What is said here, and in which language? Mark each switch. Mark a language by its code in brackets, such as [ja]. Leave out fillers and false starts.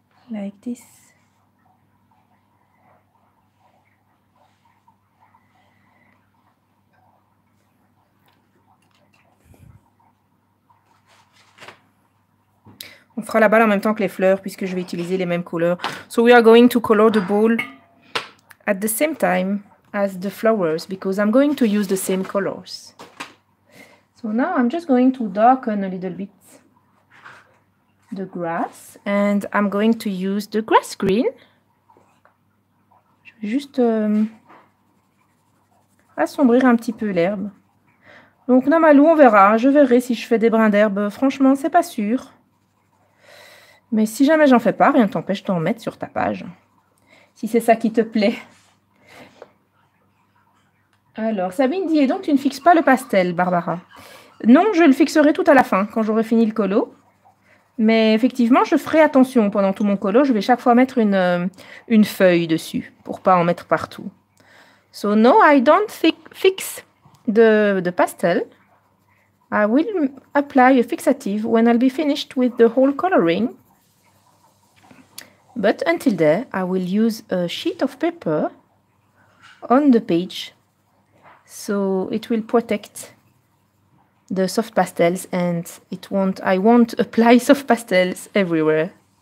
[en] Like this. [fr] On fera la balle en même temps que les fleurs, puisque je vais utiliser les mêmes couleurs. [en] So we are going to color the ball at the same time as the flowers, because I'm going to use the same colors. So now I'm just going to darken a little bit the grass, and I'm going to use the grass green. [fr] Je vais juste assombrir un petit peu l'herbe. Donc Namalou, on verra, je verrai si je fais des brins d'herbe. Franchement, c'est pas sûr. Mais si jamais j'en fais pas, rien ne t'empêche d'en mettre sur ta page. Si c'est ça qui te plaît. Alors, Sabine dit, et donc tu ne fixes pas le pastel, Barbara? Non, je le fixerai tout à la fin, quand j'aurai fini le colo. Mais effectivement, je ferai attention pendant tout mon colo. Je vais chaque fois mettre une feuille dessus, pour ne pas en mettre partout. [en] So no, I don't fix the pastel. I will apply a fixative when I'll be finished with the whole coloring. But until there, I will use a sheet of paper on the page so it will protect the soft pastels and I won't apply soft pastels everywhere.